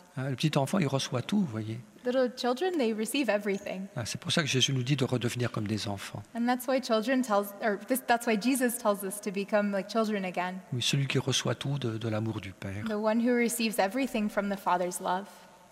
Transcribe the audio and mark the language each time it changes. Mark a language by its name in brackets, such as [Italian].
[French] Le petit enfant, il reçoit tout, voyez. [English] Little children, they receive everything. [French] C'est pour ça que Jésus nous dit de redevenir comme des enfants. [English] And that's why children tells, or this, that's why Jesus tells us to become like children again. [French] Oui, celui qui reçoit tout de l'amour du Père. [English] The one who receives everything from the Father's love.